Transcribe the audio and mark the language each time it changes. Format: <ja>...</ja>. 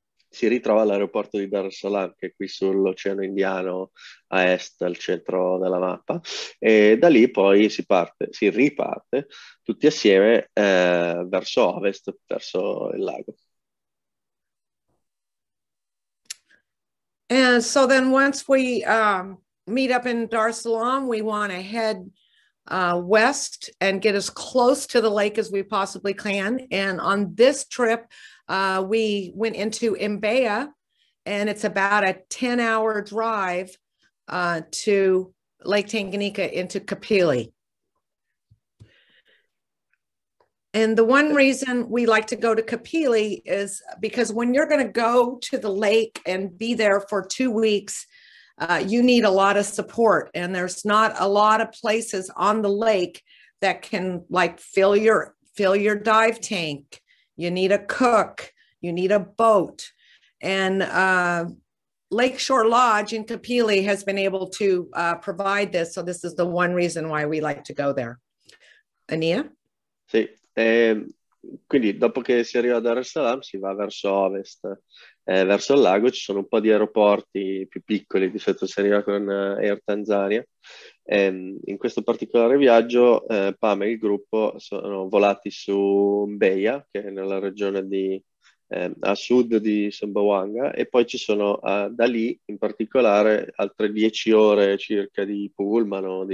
<it>si ritrova all'aeroporto di Dar es Salaam, che è qui sull'Oceano Indiano a est, al centro della mappa, e da lì poi si riparte tutti assieme verso ovest, verso il lago.</it> <en>And so then once we meet up in Dar es Salaam, we want to head west and get as close to the lake as we possibly can. And on this trip, we went into Mbeya, and it's about a 10-hour drive to Lake Tanganyika into Kapili. And the one reason we like to go to Kapili is because when you're going to go to the lake and be there for 2 weeks, you need a lot of support, and there's not a lot of places on the lake that can like fill your dive tank. You need a cook, you need a boat. And Lakeshore Lodge in Kapili has been able to provide this. So this is the one reason why we like to go there. Ania?</en> <it>Sì. Quindi dopo che si arriva a Dar es Salaam, si va verso ovest, verso il lago. Ci sono un po' di aeroporti più piccoli, di solito si arriva con Air Tanzania. In questo particolare viaggio Pam e il gruppo sono volati su Mbeya, che è nella regione di a sud di Sumbawanga, e poi ci sono da lì in particolare altre 10 ore circa di pullman, no?</it>